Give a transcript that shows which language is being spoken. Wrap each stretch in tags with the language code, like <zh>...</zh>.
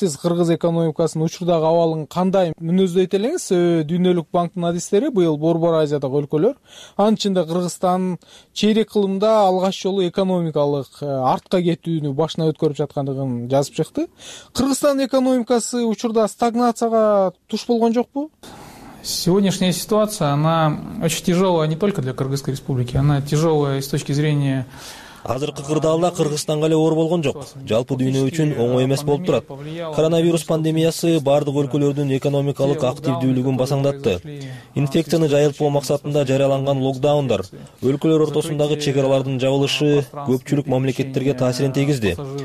<ky>Сиз кыргыз экономикасынын учурдагы абалын кандай мүнөздөйт элеңиз? Дүйнөлүк банктын адистери быйыл борбор Азиядагы өлкөлөр, анын ичинде Кыргызстан чейрек кылымда алгач жолу экономикалык артка кетүүнү башынан өткөрүп жаткандыгын жазып чыкты. Кыргызстандын экономикасы учурда стагнацияга туш болгон жокпу?</ky> <ru>Сегодняшняя ситуация, она очень тяжелая не только для Кыргызской республики, она тяжелая с точки зрения.</ru> <ky>Азыркы кырдаалда Кыргызстанга эле оор болгон жок. Жалпы дүйнө үчүн оңой эмес болуп турат. Коронавирус пандемиясы бардык өлкөлөрдүн экономикалык активдүүлүгүн басаңдатты. Инфекцияны жайылтпоо максатында жарыяланган локдаундар, өлкөлөр ортосундагы чек аралардын жабылышы көпчүлүк мамлекеттерге таасирин тийгизди.</ky>